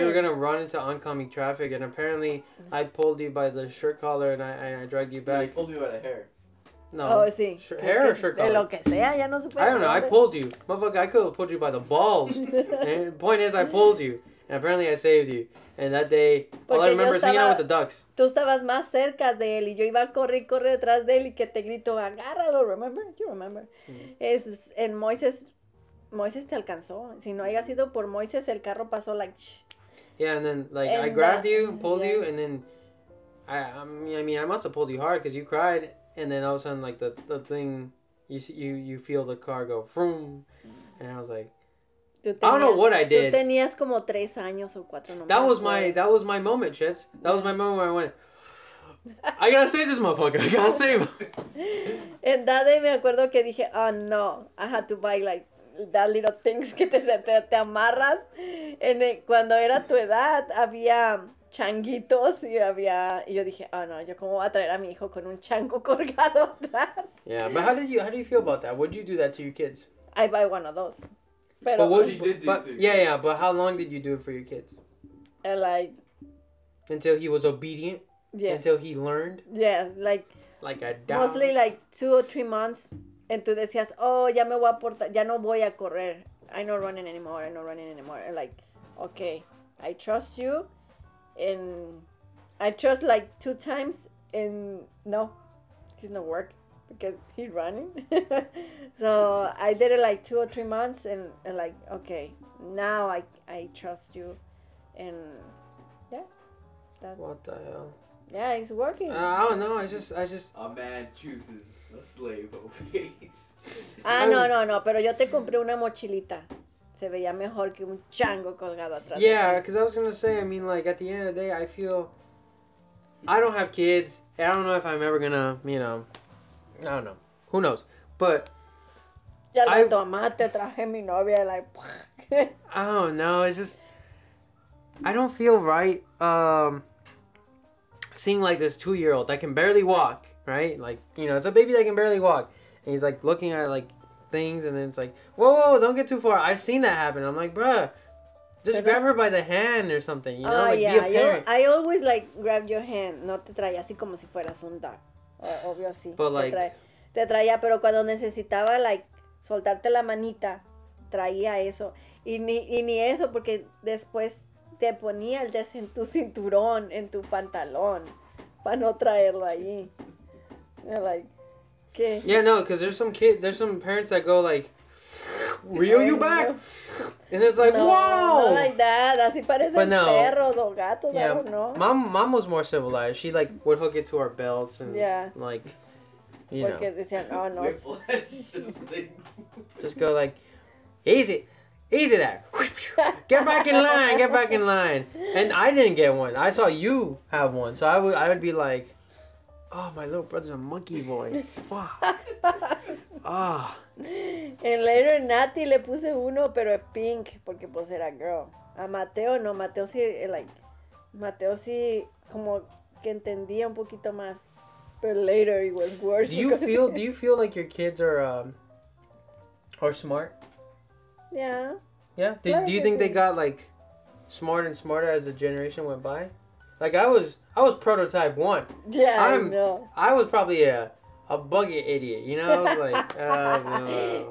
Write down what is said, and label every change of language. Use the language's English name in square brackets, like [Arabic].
[English] You were going to run into oncoming traffic, and apparently I pulled you by the shirt collar, and I dragged you back. Yeah, you pulled me by the hair. No. [Spanish] Oh, sí. [English] Hair or shirt color? [Spanish] Lo que sea, ya no supe. [English] I don't know. I pulled you. Motherfucker, I could have pulled you by the balls. Point is, I pulled you. And apparently I saved you. And that day, all I remember is hanging out with the ducks. [Spanish] Tú estabas más cerca de él. Y yo iba a correr detrás de él. Y que te grito, agárralo. [English] Remember? You remember. [Spanish] Es en Moises. Moises te alcanzó. Si no haya sido por Moises, el carro pasó like... [English] Yeah, and then, like, I grabbed you, pulled you. And then, I mean, I must have pulled you hard because you cried. And then all of a sudden, like, the thing, you feel the car go, vroom. And I was like, I don't know what I did. Tú tenías como 3 años o 4. That was my moment, Chets. That was my moment where I went, I gotta save this motherfucker. I gotta save him. En that day, [Spanish] me acuerdo que dije, [English] oh, no. I had to buy, like, that little things [Spanish] que te amarras. And cuando era tu edad, había... changuitos y había y yo dije, oh no, yo cómo voy a traer a mi hijo con un chango colgado atrás. [English] Yeah, but how do you feel about that? Would you do that to your kids? I buy one of those. [Spanish] Pero, [English] but what you did do to yeah, yeah, but how long did you do it for your kids? Like until he was obedient? Yes. Until he learned? Yeah, like a dog. Mostly like 2 or 3 months [Spanish] and tú decías, oh, ya me voy a portar, ya no voy a correr. [English] I'm not running anymore. And like, okay, I trust you. And I trust like 2 times, and no, he's not work because he's running. So I did it like 2 or 3 months, and like, okay, now I trust you, and yeah. That, what the hell? Yeah, it's working. I don't know. I just. A man chooses a slave over. [Spanish] No. Pero yo te compré una mochilita. Se veía mejor que un chango colgado atrás. [English] Yeah, because I was going to say, I mean, like, at the end of the day, I feel... I don't have kids, and I don't know if I'm ever going to, you know... I don't know. Who knows? But... [Spanish] Ya lo tomaste, traje mi novia, like... [English] I don't know, it's just... I don't feel right seeing, like, this 2-year-old that can barely walk, right? Like, you know, it's a baby that can barely walk. And he's, like, looking at, like... things, and then it's like, whoa, don't get too far. I've seen that happen. I'm like, bruh, just grab her by the hand or something, you know? Like, yeah, be a parent. I always like grab your hand, [Spanish] no te traía así como si fueras un dog, obvio, sí. [English] But like, [Spanish] te traía, pero cuando necesitaba, like, soltarte la manita, traía eso, y ni eso, porque después te ponía el jazz en tu cinturón, en tu pantalón, para no traerlo allí. [English] Like, yeah, no, because there's some parents that go like reel you back. And it's like, no, whoa. Not like that. [Spanish] Así parecen perros o gatos. Yeah. [English] Mom was more civilized. She, like, would hook it to our belts and, like, you know. [Spanish] Decían, oh, no. [English] Just go, like, easy. Easy there. Get back in line. Get back in line. And I didn't get one. I saw you have one. So I would be like, oh, my little brother's a monkey boy. Fuck. Ah. And later, [Spanish] Nati le puse uno, pero es pink, porque pues era girl. A Mateo, no, Mateo sí, like, Mateo sí, como que entendía un poquito más. [English] But later, it was worse. Do you feel like your kids are smart? Yeah. Yeah? Do you think they got, like, smarter and smarter as the generation went by? Like, I was prototype one. Yeah, I know. I was probably a buggy idiot, you know? I was like, oh, no.